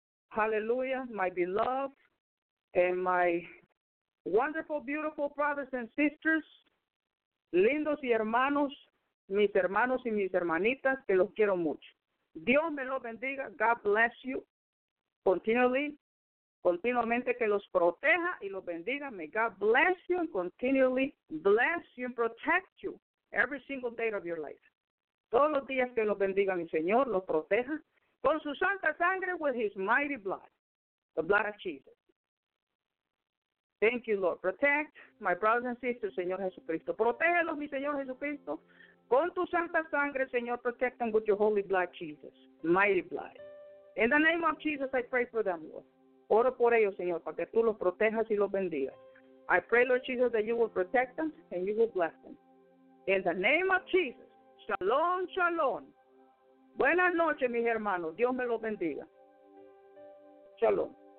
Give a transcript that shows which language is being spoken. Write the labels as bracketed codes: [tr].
[en] Hallelujah, my beloved and my wonderful, beautiful brothers and sisters. [es] Lindos y hermanos y mis hermanitas, que los quiero mucho. Dios me los bendiga. God bless you continually. continuamente que los proteja y los bendiga. [en] May God bless you and continually bless you and protect you every single day of your life. [es] Todos los días que los bendiga mi Señor, los proteja con su santa sangre, with his mighty blood, the blood of Jesus. Thank you, Lord. Protect my brothers and sisters, Señor Jesucristo. Protégelos, mi Señor Jesucristo, con tu santa sangre, Señor. [en] Protect them with your holy blood, Jesus. Mighty blood. In the name of Jesus, I pray for them, Lord. [es] Oro por ellos, Señor, para que tú los protejas y los bendigas. [en] I pray, Lord Jesus, that you will protect them and you will bless them. In the name of Jesus, shalom, shalom. [es] Buenas noches, mis hermanos. Dios me los bendiga. Shalom.